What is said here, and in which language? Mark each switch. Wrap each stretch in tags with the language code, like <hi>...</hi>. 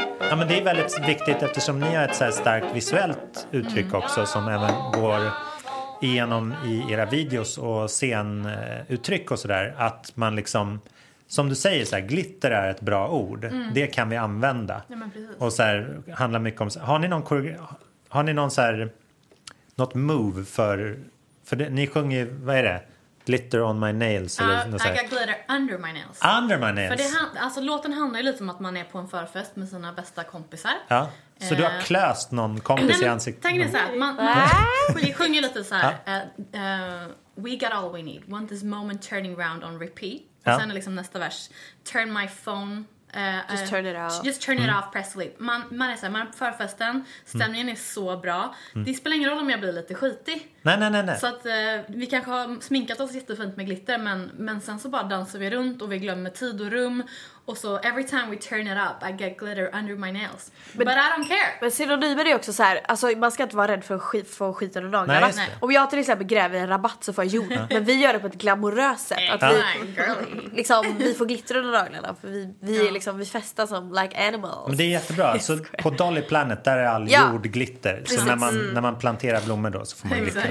<sv>Ja, men det är väldigt viktigt eftersom ni har ett så här starkt visuellt uttryck också som även går igenom i era videos och scenuttryck och sådär. Att man liksom, som du säger, så här, glitter är ett bra ord. Mm. Det kan vi använda. Ja, men precis. Och så här, handlar mycket om, har ni någon så här, något move för det, ni sjunger, vad är det?</sv> <en>Glitter on my nails.</en> <sv>Eller</sv> <en>I got glitter under my nails. Under my nails.</en> <sv>För det alltså, låten handlar ju lite om att man är på en förfest med sina bästa kompisar. Ja. Så du har klöst någon kompis i ansiktet? Tänk dig så här. Man sjunger lite så här.</sv> <en>We got all we need. Want this moment turning round on repeat.</en> <sv>Och sen är liksom nästa vers.</sv> <en>Turn my phone. Just turn it off. Just turn it off, press sleep.</en> <sv>Man är så här, man är på förfesten. Stämningen är så bra. Det spelar ingen roll om jag blir lite skitig. Nej. Så att vi kanske har sminkat oss jättefint med glitter. Men sen så bara dansar vi runt och vi glömmer tid och rum. Och så</sv> <en>every time we turn it up I get glitter under my nails. But I don't care.</en> <sv>Men synonymer är också så här, alltså man ska inte vara rädd för att skita under naglarna. Om jag till exempel gräver en rabatt så får jag jord. Men vi gör det på ett glamoröst sätt. Att vi, liksom, vi får glitter under naglarna. För vi festar som</sv> <en>like animals.</en> <sv>Men det är jättebra. Så på Dolly Planet där är all jord glitter. Så när man planterar blommor då så får man glitter.</sv>